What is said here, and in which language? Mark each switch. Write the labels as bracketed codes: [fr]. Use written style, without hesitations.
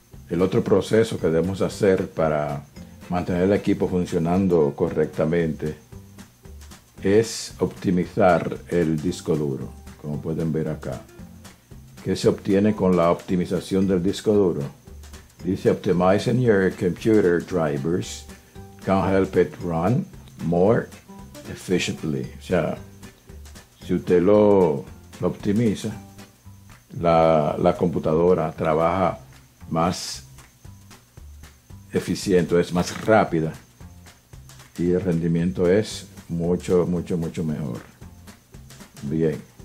[es] El otro proceso que debemos hacer para mantener el equipo funcionando correctamente es optimizar el disco duro, como pueden ver acá. ¿Qué se obtiene con la optimización del disco duro? Dice, [en] optimizing your computer drivers can help it run more efficiently. [es] O sea, si usted lo optimiza, la computadora trabaja más eficiente, es más rápida y el rendimiento es mucho, mucho, mucho mejor. Bien.